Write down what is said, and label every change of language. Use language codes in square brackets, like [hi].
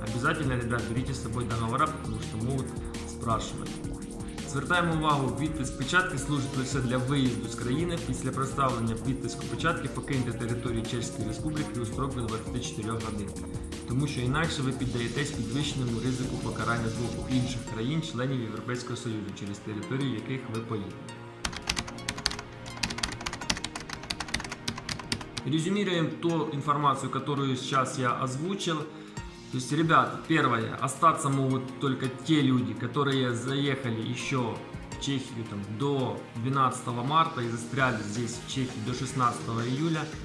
[ru] Обязательно, ребят, берите с собой договора, потому что могут спрашивать. [uk] Звертаємо увагу, відтиск печатки служить лише для виїзду з країни. Після проставлення відтиску печатки покиньте територію Чеської Республіки у строк 24 годин. Тому що інакше ви піддаєтесь підвищеному ризику покарання з боку інших країн, членів Європейського Союзу, через територію яких ви поїдете. [ru] Резюмируем ту информацию, которую сейчас я озвучил. То есть, ребят, первое, остаться могут только те люди, которые заехали еще в Чехию там, до 12 марта и застряли здесь в Чехии до 16 июля.